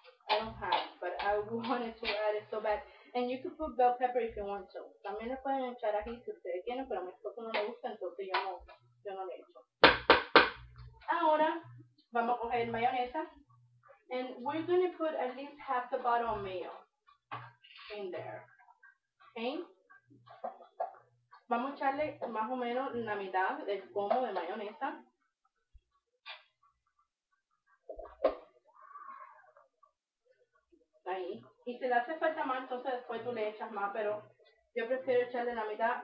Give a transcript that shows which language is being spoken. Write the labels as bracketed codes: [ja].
[en] I don't have, but I wanted to add it so bad. And you could put bell pepper if you want to. [es] También le pueden echar aquí si ustedes quieren, pero a mi esposo no le gusta, entonces yo no le echo. Ahora, vamos a coger mayonesa. [en] And we're going to put at least half the bottle of mayo in there. Okay. [es] Vamos a echarle más o menos la mitad del pomo de mayonesa. Ahí. Y si le hace falta más, entonces después tú le echas más, pero yo prefiero echarle la mitad.